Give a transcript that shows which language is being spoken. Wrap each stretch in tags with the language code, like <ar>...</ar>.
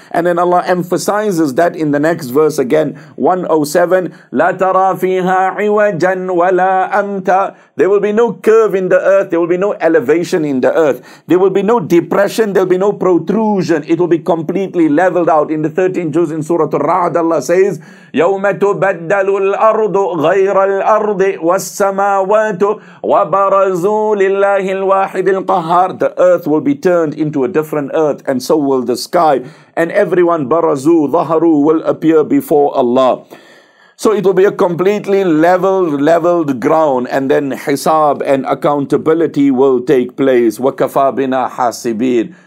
<en>And then Allah emphasizes that in the next verse again, 107,</en> <ar>لا ترى فيها عوجا ولا أمتا.</ar> <en>There will be no curve in the earth, there will be no elevation in the earth. There will be no depression, there will be no protrusion. It will be completely leveled out. In the 13 Juz in Surah Al-Ra'd, Allah says,</en> <ar>يوم تبدل الأرض غير الأرض والسماوات وبرزوا لله الواحد القهار.</ar> <en>The earth will be turned into a different earth, and so will the sky. And everyone, barazu, dhaharu, will appear before Allah. So it will be a completely leveled ground, and then hisab and accountability will take place.</en> <ar>وَكَفَى بِنَا حَاسِبِينَ.</ar>